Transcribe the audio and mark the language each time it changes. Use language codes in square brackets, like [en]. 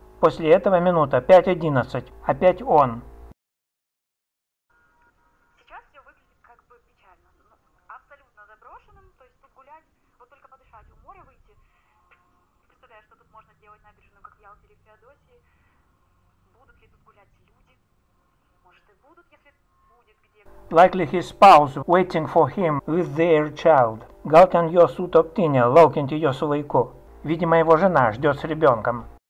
[ru] После этого минута 5:11, опять он. Сейчас все выглядит как бы печально. Абсолютно заброшенным, то есть тут гулять, вот только подышать, у моря выйти. Представляю, что тут можно делать набережную, как в Ялте или в Феодосии. Будут ли тут гулять люди? Может и будут, если... [en] Likely his spouse waiting for him with their child. [lt] Gal ten jo sutoktinė, laukianti jo su vaiku. [ru] Видимо, его жена ждет с ребенком.